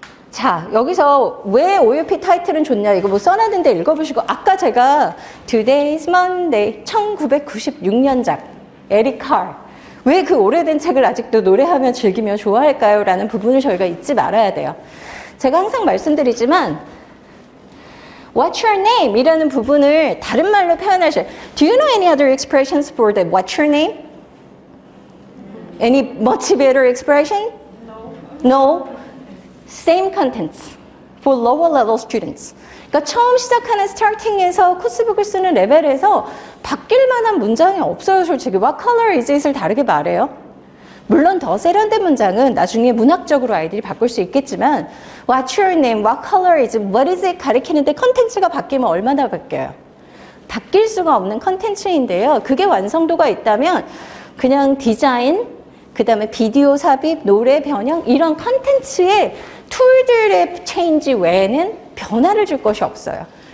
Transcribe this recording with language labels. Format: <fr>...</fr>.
<ko>자, 여기서 왜 OUP 타이틀은 좋냐 이거 뭐 써놨는데 읽어보시고 아까 제가 Today's Monday 1996년작 에릭 칼 왜 그 오래된 책을 아직도 노래하며 즐기며 좋아할까요? 라는 부분을 저희가 잊지 말아야 돼요. 제가 항상 말씀드리지만</ko> <en>What's your name?</en> <ko>이라는 부분을 다른 말로 표현하실</ko> <en>Do you know any other expressions for the What's your name? Any much better expression? No. No. Same contents for lower level students.</en> <ko>그러니까 처음 시작하는 starting에서 코스북을 쓰는 레벨에서 바뀔 만한 문장이 없어요, 솔직히.</ko> <en>What color is it을</en> <ko>다르게 말해요? 물론 더 세련된 문장은 나중에 문학적으로 아이들이 바꿀 수 있겠지만</ko> <en>What's your name? What color is it? What is it?</en> <ko>가리키는데 컨텐츠가 바뀌면 얼마나 바뀌어요? 바뀔 수가 없는 컨텐츠인데요. 그게 완성도가 있다면 그냥 디자인, 그 다음에 비디오 삽입, 노래 변형 이런 컨텐츠의 툴들의 체인지 외에는 변화를 줄 것이 없어요.</ko>